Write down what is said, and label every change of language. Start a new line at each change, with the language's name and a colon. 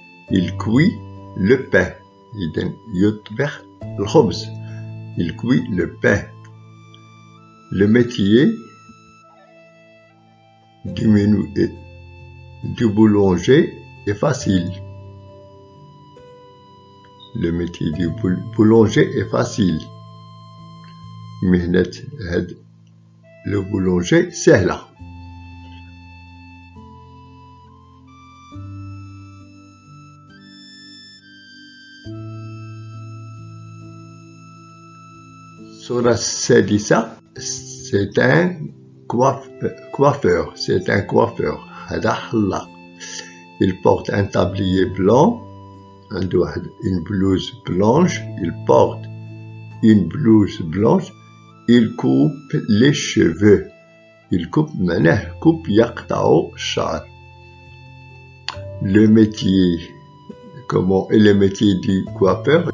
French: Il cuit le pain. Il cuit le pain. Le métier du menu du boulanger est facile. Le métier du boulanger est facile.
Arabic: مهنة هاد لو بولونجي سهلة. الصورة السادسة
French: سيت ان كوافور
Arabic: هذا حلاق.
French: Il porte un tablier blanc.
Arabic: عنده واحد
French: une blouse blanche. Il porte une blouse blanche. Il coupe les cheveux. Il coupe,
Arabic: معناه
French: coupe
Arabic: يقطعو الشعر.
French: Le métier, comment est le métier du coiffeur?